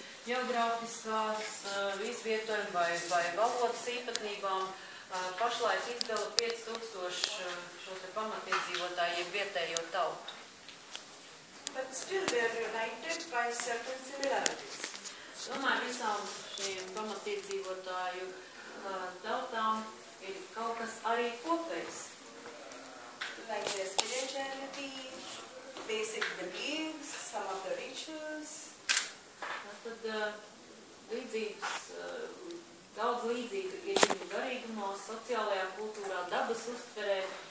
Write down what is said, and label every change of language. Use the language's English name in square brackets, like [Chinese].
[Latvian] geogrāfiskās vīzvietojumi vai valodas īpatnībām. Pašlaik izdala 5000 šo te pamatiedzīvotājiem vietējo tautu. [English] But still they are united by certain similarities. [Latvian] Domāju, visām šiem pamatiedzīvotāju tautām ir kaut kas arī kopējs. [English] Like their spirituality, basic beliefs, some of the rituals, [Latvian] tad līdzības, daudz līdzība ir viņu garīgumā, sociālajā kultūrā, dabas uztverē.